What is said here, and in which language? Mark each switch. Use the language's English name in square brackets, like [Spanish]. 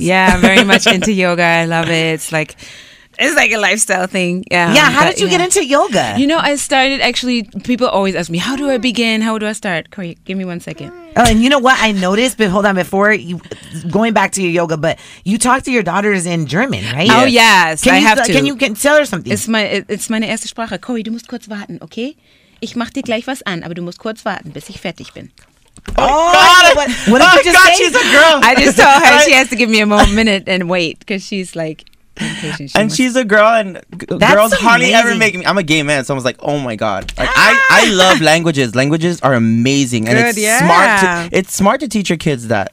[English] Yeah, I'm very much into yoga. I love it. It's like a lifestyle thing. Yeah. Yeah. How did you get into yoga? You know, I started, actually, people always ask me, how do I begin? How do I start? Corey, give me 1 second. Oh, and you know what I noticed? But hold on, before you, going back to your yoga, but you talk to your daughters in German, right? Oh, yes. Can I you, have to. Can you can tell her something? It's [German] meine erste Sprache. Corey, du musst kurz warten, okay? Ich mach dir gleich was an, aber du musst kurz warten, bis ich fertig bin. [English] Oh my God, she's a girl. I just told her she has to give me a moment, minute and wait because she's like... And she's a girl, and girls hardly ever make me. I'm a gay man, so I was like, oh my God. Like, I love languages. Languages are amazing. Good, and it's smart to teach your kids that.